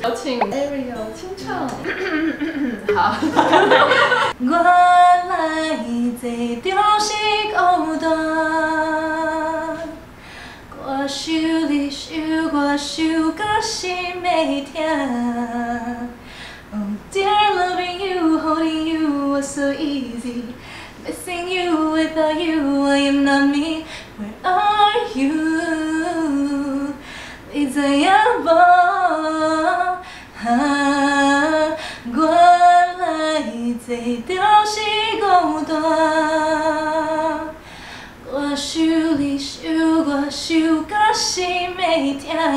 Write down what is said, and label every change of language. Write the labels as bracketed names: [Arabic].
[Chinese] 有请 Ariel 清唱。好。我来坐着是孤单，我想你想我想到心会痛。 [English] Dear loving you, holding you was so easy. Missing you without you, I am not me. Where are you? [Chinese] 你在哪无？我来坐着是孤单，我想你想我想到心会痛。